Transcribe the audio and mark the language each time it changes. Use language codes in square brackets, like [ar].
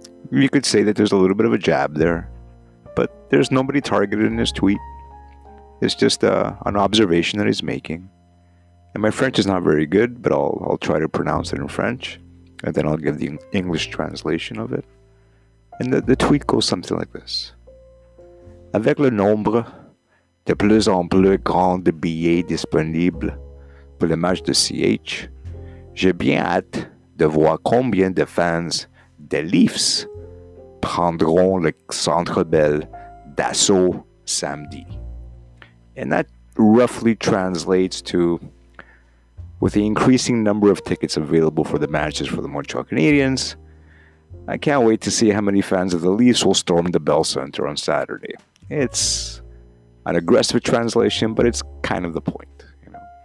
[en] You could say that there's a little bit of a jab there, but there's nobody targeted in his tweet. It's just an observation that he's making. And my French is not very good, but I'll try to pronounce it in French. And then I'll give the English translation of it. And the tweet goes something like this. [fr] Avec le nombre de plus en plus grand de billets disponibles pour le match de CH, j'ai bien hâte de voir combien de fans des Leafs prendront le Centre Bell d'assaut samedi. [en] And that roughly translates to, with the increasing number of tickets available for the matches for the Montreal Canadiens, I can't wait to see how many fans of the Leafs will storm the Bell Centre on Saturday. It's an aggressive translation, but it's kind of the point, you know.